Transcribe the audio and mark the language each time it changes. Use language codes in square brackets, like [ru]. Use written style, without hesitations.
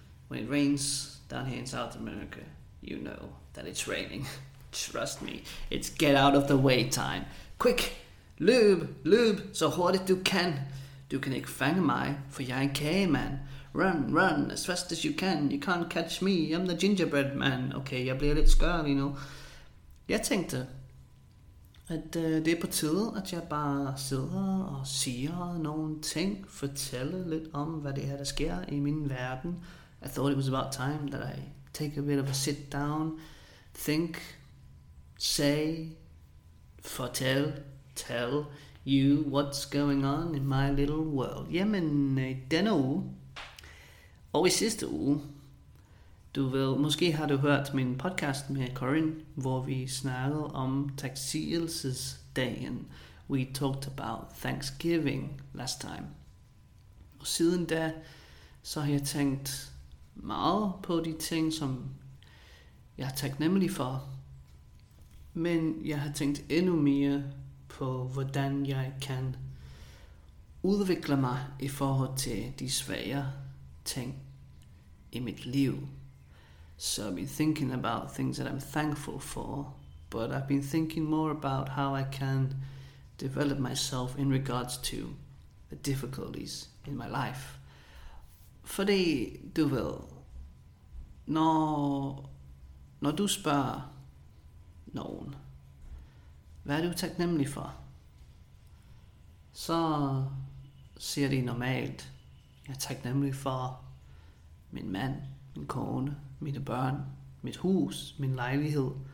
[en] When it rains down here in South America, you know that it's raining. Trust me, it's get out of the way time. [da] Quick, løb, løb, så hurtigt du kan. Du kan ikke fange mig, for jeg er en kagemand. [en] Run, run, as fast as you can. You can't catch me, I'm the gingerbread man. [da] Okay, jeg bliver lidt skør lige nu. Jeg tænkte, at det er på tide, at jeg bare sidder og siger nogle ting. Fortæller lidt om, hvad det er, der sker i min verden. [en] I thought it was about time that I take a bit of a sit down. Think. Say, fortæl, tell you what's going on in my little world. [da] Jamen, i denne uge, og i sidste uge, du vil, måske har du hørt min podcast med Corinne, hvor vi snakkede om taksigelsesdagen. [en] We talked about Thanksgiving last time. [da] Og siden da, så har jeg tænkt meget på de ting, som jeg er taknemmelig for. Men jeg har tænkt endnu mere på, hvordan jeg kan udvikle mig i forhold til de svære ting i mit liv. [en] So I've been thinking about things that I'm thankful for, but I've been thinking more about how I can develop myself in regards to the difficulties in my life. [da] Fordi du vil, når du spørger nogen, hvad er du taknemmelig for? Så siger de normalt, jeg er taknemmelig for min mand, min kone, mine børn, mit hus, min lejlighed.